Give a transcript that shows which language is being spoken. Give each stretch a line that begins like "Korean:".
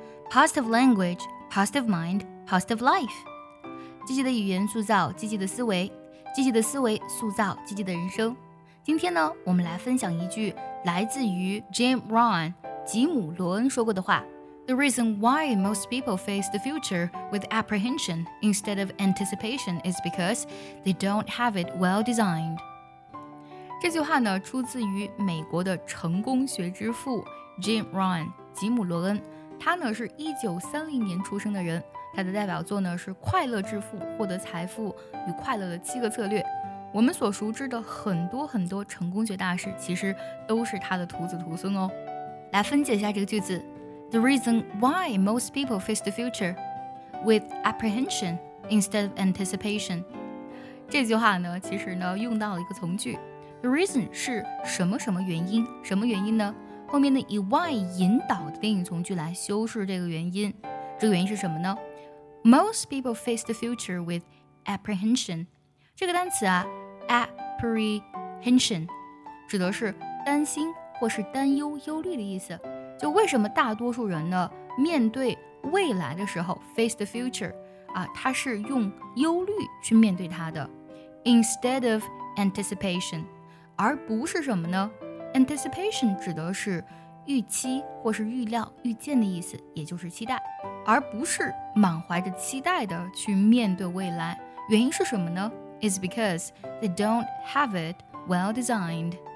English: Positive language, positive mind, positive life.
Chinese: 积极的语言塑造积极的思维，积极的思维塑造积极的人生。今天呢，我们来分享一句来自于 Jim Rohn 吉姆·罗恩说过的话。
English: The reason why most people face the future with apprehension instead of anticipation is because they don't have it well designed.
Chinese: 这句话呢，出自于美国的成功学之父 Jim Rohn 吉姆·罗恩。他呢是1930年出生的人，他的代表作呢是《快乐致富》《获得财富与快乐的七个策略》。我们所熟知的很多很多成功学大师，其实都是他的徒子徒孙哦。来分解一下这个句子。
English: The reason why most people face the future with apprehension instead of anticipation.
Chinese: 这句话呢，其实呢，用到了一个从句。
English: The reason
Chinese: 是什么什么原因？什么原因呢？后面呢，以 why 引导的定语从句来修饰这个原因。这个原因是什么呢？
English: Most people face the future with apprehension.
Chinese: 这个单词啊 ，apprehension 指的是担心或是担忧、忧虑的意思。就为什么大多数人呢面对未来的时候
English: face the future
Chinese: 啊，他是用忧虑去面对他的
English: instead of anticipation
Chinese: 而不是什么呢 anticipation 指的是预期或是预料预见的意思也就是期待而不是满怀着期待的去面对未来原因是什么呢
English: is because they don't have it well designed